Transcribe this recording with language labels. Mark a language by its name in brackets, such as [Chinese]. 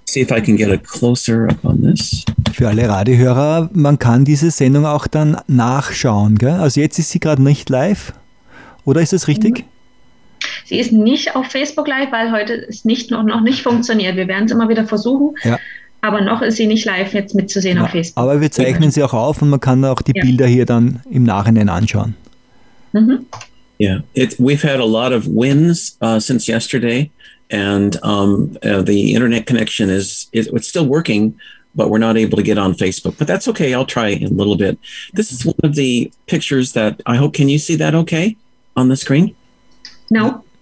[English] see if I can get a closer up on this. [German] Für alle Radiohörer, man kann diese Sendung auch dann nachschauen, gell? Also jetzt ist sie gerade nicht live, oder ist das richtig? Sie ist nicht auf Facebook live, weil heute es noch nicht funktioniert. Wir werden es immer wieder versuchen, ja. Aber noch ist sie nicht live jetzt mitzusehen auf Facebook. Aber wir zeichnen sie auch auf und man kann auch die Bilder hier dann im Nachhinein anschauen. [English] Mhm. Yeah, we've had a lot of winds since yesterday. And the internet connection is still working, but we're not able to get on Facebook. But that's okay. I'll try in a little bit. This is one of the pictures that I hope. Can you see that okay on the screen? No.